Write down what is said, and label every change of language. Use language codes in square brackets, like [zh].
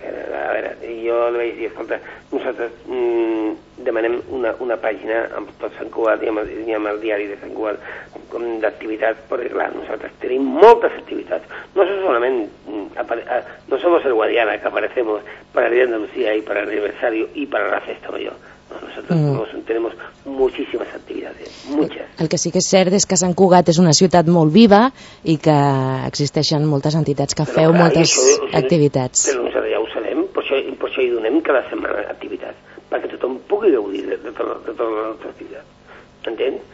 [ca] A veure, jo li vaig dir, escolta, nosaltres demanem una pàgina amb tot Sant Cugat i amb el diari de Sant Cugat d'activitats, perquè clar, nosaltres tenim moltes activitats. No som solament, [es] no somos el Guadiana que aparecemos para el Día de Andalucía y para el aniversario y para la festa mayor. Nosotros tenemos muchísimas actividades, muchas. [ca] El que sí que és cert és que Sant Cugat és una ciutat molt viva i que existeixen moltes entitats que feu moltes activitats. Però nosaltres ja ho sabem, per això hi donem cada setmana activitats, perquè tothom pugui gaudir de tota la nostra activitat. Entens?